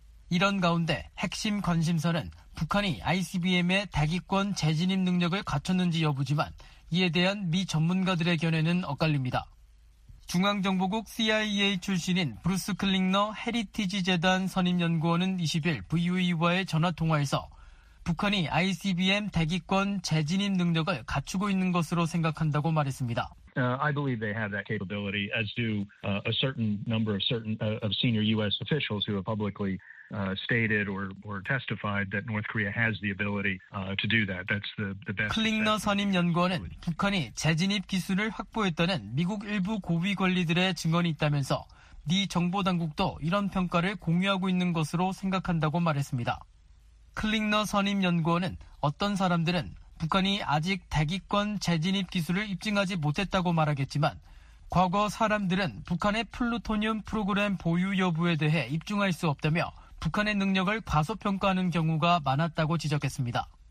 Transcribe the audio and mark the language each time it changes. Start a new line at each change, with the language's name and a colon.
Korean: 이런 가운데 핵심 관심사는 북한이 ICBM의 대기권 재진입 능력을 갖췄는지 여부지만 이에 대한 미 전문가들의 견해는 엇갈립니다. 중앙정보국 CIA 출신인 브루스 클링너 헤리티지 재단 선임연구원은 20일 VOE와의 전화통화에서 북한이 ICBM 대기권 재진입 능력을 갖추고 있는 것으로 생각한다고 말했습니다.
English: I believe they have that capability, as do a certain number of certain of senior U.S. officials who have publicly stated or testified that North Korea has the ability to do that. That's the best.
Korean: 클링너 선임 연구원은 북한이 재진입 기술을 확보했다는 미국 일부 고위 관리들의 증언이 있다면서 미 정보 당국도 이런 평가를 공유하고 있는 것으로 생각한다고 말했습니다. 클링너 선임 연구원은 어떤 사람들은 북한이 아직 대기권 재진입 기술을 입증하지 못했다고 말하겠지만 과거 사람들은 북한의 플루토늄 프로그램 보유 여부에 대해 입증할 수 없다며 북한의 능력을 과소평가하는 경우가 많았다고 지적했습니다.